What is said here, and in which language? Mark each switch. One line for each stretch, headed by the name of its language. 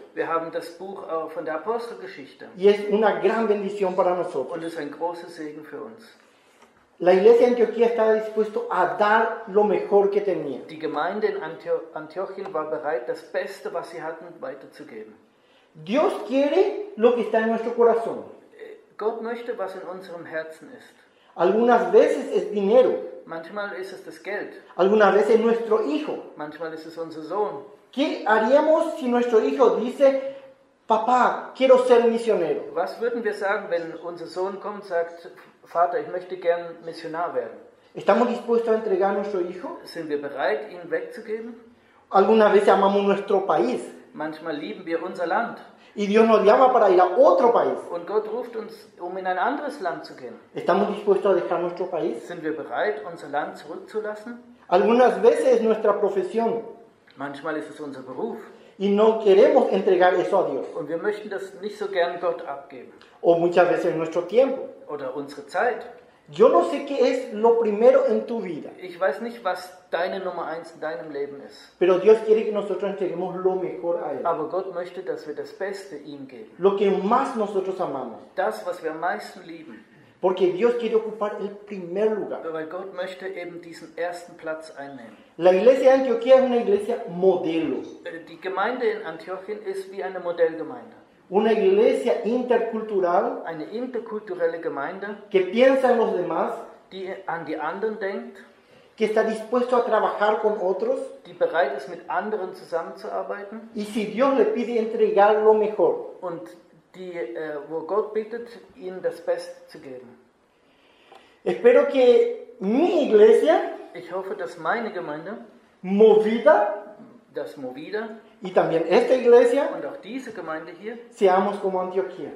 German: Wir haben das Buch von der Apostelgeschichte.
Spanish: Y es una gran bendición para nosotros.
German: Und es ist ein großer Segen für uns.
Spanish: La iglesia de Antioquía estaba dispuesto a dar lo mejor que tenía.
German: Die Gemeinde in Antiochien war bereit, das Beste, was sie hatten, weiterzugeben.
Spanish: Dios quiere lo que está en nuestro corazón.
German: Gott möchte, was in unserem Herzen ist.
Spanish: Algunas veces es dinero.
German: Manchmal ist es das Geld.
Spanish: Algunas veces nuestro hijo.
German: Manchmal ist es unser Sohn.
Spanish: ¿Qué haríamos si nuestro hijo dice, Papá, quiero ser misionero?
German: Was würden wir sagen, wenn unser Sohn kommt und sagt, Vater, ich möchte gern Missionar werden.
Spanish: ¿Estamos dispuestos a entregar nuestro hijo?
German: Sind wir bereit, ihn wegzugeben?
Spanish: ¿Alguna vez amamos nuestro país?
German: Manchmal lieben wir unser Land.
Spanish: Y Dios nos llama para ir a otro país.
German: Und Gott ruft uns, um in ein anderes Land zu gehen.
Spanish: ¿Estamos dispuestos a dejar nuestro país?
German: Sind wir bereit, unser Land zurückzulassen?
Spanish: Algunas veces es nuestra profesión.
German: Manchmal ist es unser Beruf.
Spanish: Y no queremos entregar eso a Dios.
German: Und wir möchten das nicht so gern Gott abgeben.
Spanish: O muchas veces nuestro tiempo.
German: Oder unsere Zeit.
Spanish: Yo no sé qué es lo primero en tu vida.
German: Ich weiß nicht, was deine Nummer 1 in deinem Leben ist.
Spanish: Pero Dios quiere que nosotros entreguemos lo mejor a Él.
German: Aber Gott möchte, dass wir das Beste ihm geben.
Spanish: Lo que más nosotros amamos.
German: Das, was wir am meisten lieben.
Spanish: Porque Dios quiere ocupar el primer lugar.
German: Weil Gott möchte eben diesen ersten Platz einnehmen.
Spanish: La iglesia de Antioquía es una iglesia modelo.
German: Die Gemeinde in Antiochien ist wie eine Modellgemeinde.
Spanish: Una iglesia intercultural,
German: eine interkulturelle Gemeinde,
Spanish: que piensa en los demás,
German: die an die anderen denkt,
Spanish: que está dispuesto a trabajar con otros,
German: die bereit ist, mit anderen zusammenzuarbeiten,
Spanish: y si Dios le pide entregar lo mejor,
German: und die, wo Gott bittet, ihnen das Beste zu geben.
Spanish: Espero que mi iglesia,
German: ich hoffe, dass meine Gemeinde,
Spanish: movida,
German: das Movida,
Spanish: y también esta iglesia,
German: und auch diese Gemeinde hier,
Spanish: seamos como Antioquía,